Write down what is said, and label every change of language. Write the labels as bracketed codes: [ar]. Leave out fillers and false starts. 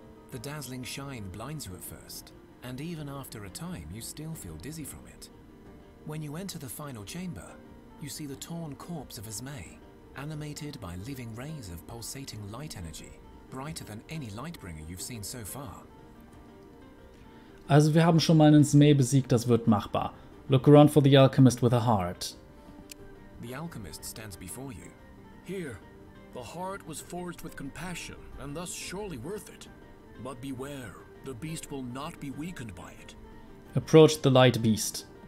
[en] The dazzling shine blinds you at first, and even after a time you still feel dizzy from it. When you enter the final chamber, you see the torn corpse of Esmei, animated by living rays of pulsating light energy, brighter than any Lightbringer you've seen so far. [de] Also wir haben schon mal einen Esmei besiegt, das wird machbar. [en] Look around for the alchemist with a heart. The alchemist stands before you. Here, the heart was forged with compassion, and thus surely worth it. But beware, the beast will not be weakened by it. Approach the light beast.